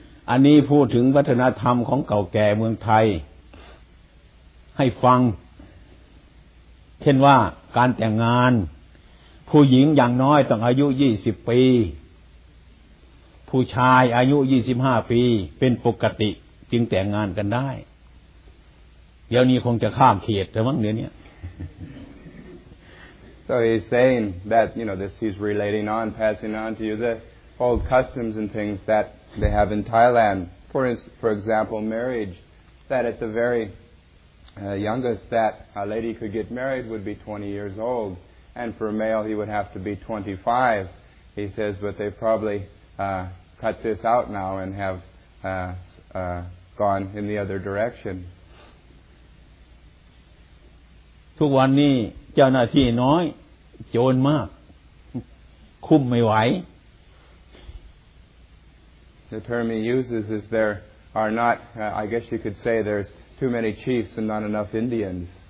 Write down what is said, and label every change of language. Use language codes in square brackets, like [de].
[th] อันนี้พูดถึงวัฒนธรรมของเก่าแก่เมืองไทยให้ฟังเช่นว่าการแต่งงานผู้หญิงอย่างน้อยต้องอายุ20ปีผู้ชายอายุ25ปีเป็นปกติจึงแต่งงานกันได้เดี๋ยวนี้คงจะข้ามเขตแล้วมั้งเดี๋ยวนี้ [en] So he's saying that you know this he's relating on passing on to you the old customs and things that they have in Thailand for example marriage that at the veryyoungest that a lady could get married would be 20 years old and for a male he would have to be 25 he says but they probably cut this out now and have gone in the other direction [th] ทุกวันนี้เจ้าหน้าที่น้อยโจรมากคุมไม่ไหว [en] The term he uses is there are not I guess you could say there'sToo many chiefs and not enough Indians.